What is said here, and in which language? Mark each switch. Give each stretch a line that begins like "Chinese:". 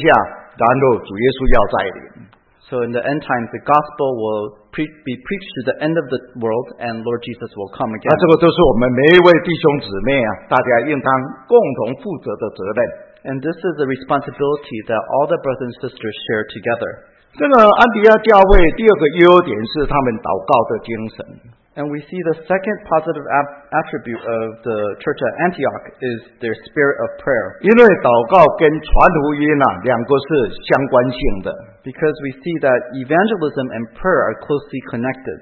Chinese: 说末世的福音要传遍天下，然后主耶稣要再临。
English: So in the end times, the gospel will be preached to the end of the world, and Lord Jesus will come again.
Chinese: 这个都是我们每一位弟兄姊妹啊，大家应当共同负责的责任。
English: And this is the responsibility that all the brothers and sisters share together.
Chinese: 这个安提阿教会第二个优点是他们祷告的精神。
English: And we see the second positive attribute of the church at Antioch is their spirit of prayer.
Chinese: 因为祷告跟传福音啊，两个是相关性的。
English: Because we see that evangelism and prayer are closely connected.